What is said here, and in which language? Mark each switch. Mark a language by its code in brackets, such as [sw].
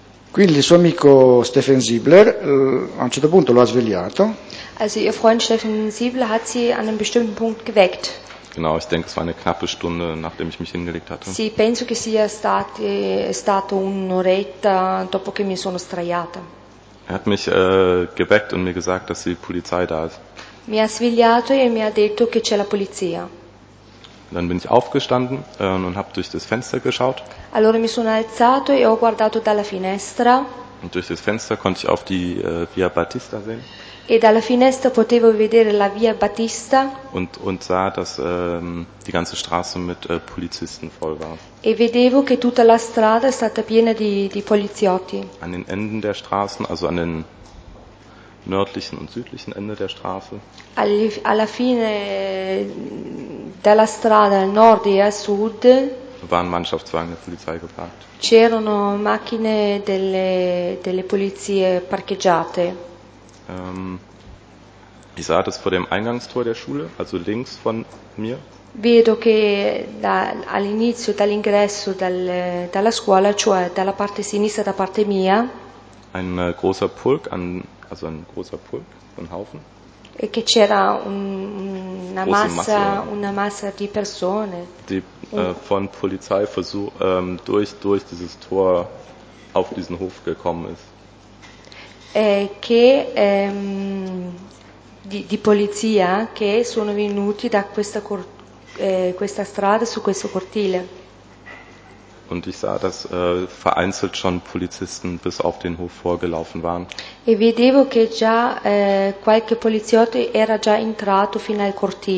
[it] Quindi il suo amico Steffen Siebler a un certo punto lo ha svegliato. [de] Also ihr Freund Steffen Siebler hat sie an einem bestimmten Punkt geweckt. Genau, ich denke, es war eine knappe Stunde, nachdem ich mich hingelegt hatte. [it] Sì, penso che sia stato un'oretta dopo che mi sono sdraiata. [de] Er hat mich geweckt und mir gesagt, dass die Polizei da ist. [it] Mi ha svegliato e mi ha detto che c'è la polizia. [de] Dann bin ich aufgestanden und habe durch das Fenster geschaut. [it] Allora mi sono alzato e ho guardato dalla finestra. [de] Und durch das Fenster konnte ich auf die Via Battista sehen. [it] E dalla finestra potevo vedere la Via Battista. [de] Und sah, dass die ganze Straße mit Polizisten voll war. [it] E vedevo che tutta la strada è stata piena di poliziotti. [de] An den Enden der Straßen, also an den nördlichen und südlichen Ende der Straße. [it] Alla fine della strada, nord e a sud. [de] Waren Mannschaftswagen der Polizei geparkt. [it] C'erano macchine delle polizie parcheggiate. [de] Ich sah das vor dem Eingangstor der Schule, also links von mir. [it] Vedo che all'inizio dall'ingresso dalla scuola, cioè dalla parte sinistra da parte mia. [de] Ein großer Pulk an also ein großer Pulk, ein Haufen. [it] E che c'era una massa di persone. [de] Die von Polizei durch dieses Tor auf diesen Hof gekommen ist. [it] Che di polizia che sono venuti da questa questa strada su questo cortile. [de] Und ich sah, dass vereinzelt schon Polizisten bis auf den Hof vorgelaufen waren. [it] E vedevo che già qualche poliziotto era già entrato fino al cortile.